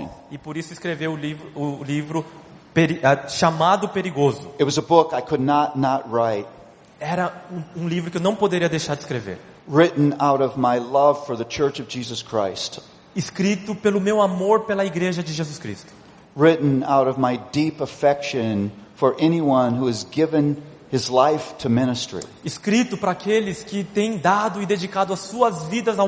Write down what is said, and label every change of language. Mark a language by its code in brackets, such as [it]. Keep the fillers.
[pt] E por isso escreveu o livro, o livro peri, chamado Perigoso. [en] It was a book I could not not write. [pt] Era um, um livro que eu não poderia deixar de escrever. [en] Written out of my love for the Church of Jesus Christ. [pt] Escrito pelo meu amor pela Igreja de Jesus Cristo. [en] Written out of my deep affection for anyone who has given his life to ministry. [pt] Escrito para aqueles que têm dado e dedicado as suas vidas ao